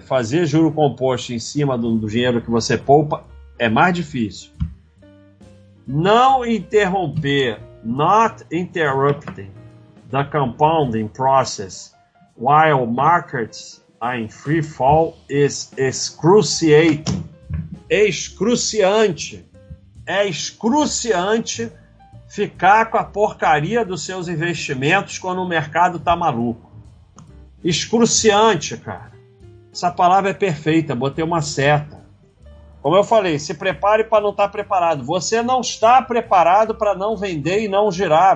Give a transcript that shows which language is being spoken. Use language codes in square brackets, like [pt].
[pt] Fazer juro composto em cima do dinheiro que você poupa é mais difícil. Não interromper, [en] not interrupting the compounding process while markets are in free fall is excruciating. [pt] Excruciante. É excruciante ficar com a porcaria dos seus investimentos quando o mercado tá maluco. Excruciante, cara. Essa palavra é perfeita, botei uma seta. Como eu falei, se prepare para não estar preparado. Você não está preparado para não vender e não girar.